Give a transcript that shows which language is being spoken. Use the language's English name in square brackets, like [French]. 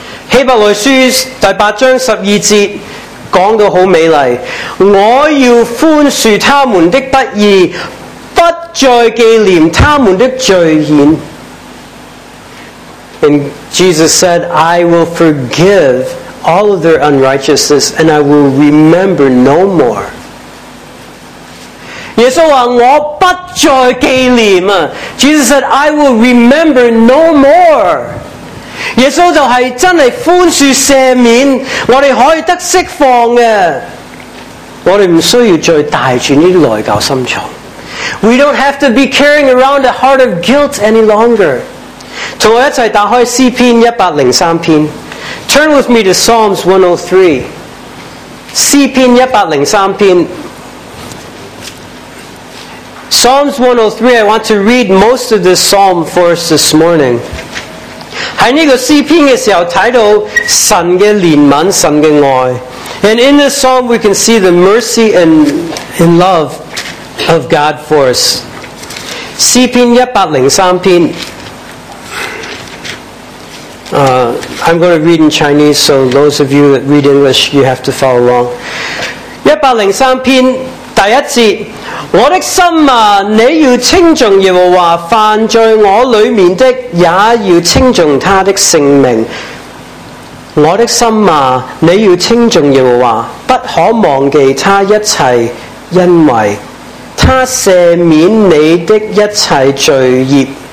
[Cantonese] 希伯来书第八章十二节讲到好美丽，我要宽恕他们的不义，不再纪念他们的罪愆。 [English] And Jesus said, I will forgive all of their unrighteousness, and I will remember no more. [Cantonese] 耶稣说我不再纪念啊。 [English] Jesus said, I will remember no more. [Cantonese] 耶稣就是真的宽恕赦免，我们可以得释放的，我们不需要再带着这内疚深重。 [English] We don't have to be carrying around a heart of guilt any longer. [Cantonese] 跟我一起打开诗篇103篇。 [English] Turn with me to Psalms 103. [Cantonese] 诗篇103篇。 [English] Psalms 103, I want to read most of this psalm for us this morning. [Cantonese] 在这个诗篇的时候提到神的怜悯，神的爱。 [English] And in this psalm, we can see the mercy and love of God for us. [Cantonese] 诗篇103篇。 [English] I'm going to read in Chinese, so those of you that read English, you have to follow along. [Cantonese] 103篇第一节，我的心啊，你要称颂耶和华，犯在我里面的也要称颂他的圣名。我的心啊，你要称颂耶和华，不可忘记他一切恩惠，他赦免你的一切罪孽，